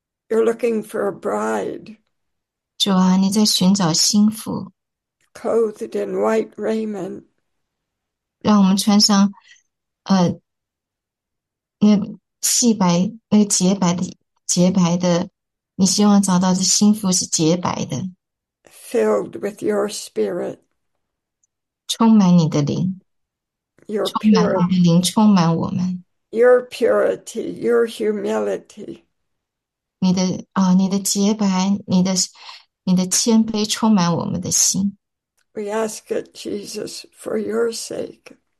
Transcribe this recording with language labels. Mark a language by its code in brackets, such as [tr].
[en] You're looking for a bride, [zh] 主啊，你在寻找心腹， [en] clothed in white raiment. [zh] 让我们穿上那细白、那个洁白的、洁白的，你希望找到的心腹是洁白的， [en] Filled with your spirit, [zh] 充满你的灵。充满你的灵，充满我们。 [en] your purity, your humility. [zh] 你的洁白，你的谦卑，充满我们的心。 [en] We ask it, Jesus, for your sake.